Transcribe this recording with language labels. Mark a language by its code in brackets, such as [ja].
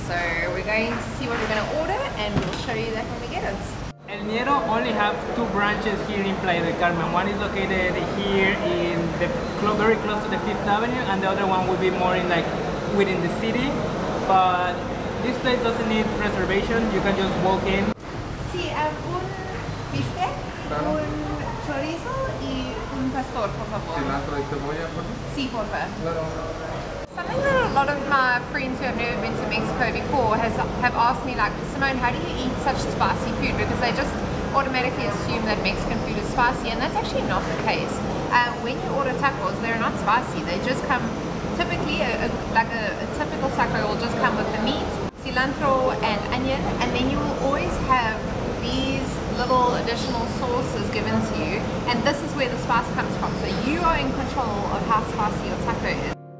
[en] So we're going to see what we're going to order and we'll show you that when we get it. El Ñero only have two branches here in Playa del Carmen. One is located here in the very close to the Fifth Avenue, and the other one will be more in like within the city. But this place doesn't need reservation. You can just walk in. [es] Sí, un bistec, un chorizo y un pastor, por favor. Sí, por favor. [en] Something that a lot of my friends who have never been to Mexico before have asked me, like, Simone, how do you eat such spicy food? Because they just automatically assume that Mexican food is spicy, and that's actually not the case. When you order tacos, they're not spicy. They just come typically a typical taco will just come with the meat, cilantro and onion, and then you will always have these little additional sauces given to you, and this is where the spice comes from, so you are in control of how spicy your taco is.